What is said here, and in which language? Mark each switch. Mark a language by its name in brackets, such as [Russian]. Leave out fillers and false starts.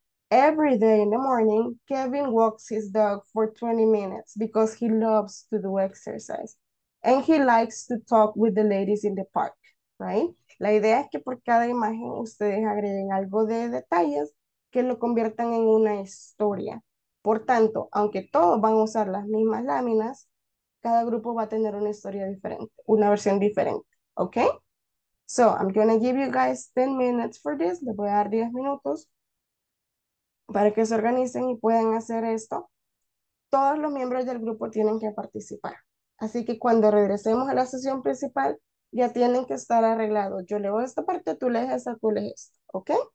[English] Every day in the morning, Kevin walks his dog for 20 minutes because he loves to do exercise. And he likes to talk with the ladies in the park, right? [Spanish] La idea es que por cada imagen ustedes agreguen algo de detalles que lo conviertan en una historia. Por tanto, aunque todos van a usar las mismas láminas, cada grupo va a tener una historia diferente, una versión diferente, ¿ok? [English] So, I'm going to give you guys 10 minutes for this. [Spanish] Les voy a dar 10 minutos para que se organicen y puedan hacer esto. Todos los miembros del grupo tienen que participar. Así que cuando regresemos a la sesión principal, ya tienen que estar arreglados. Yo leo esta parte, tú lees esa, tú lees esta, ¿ok?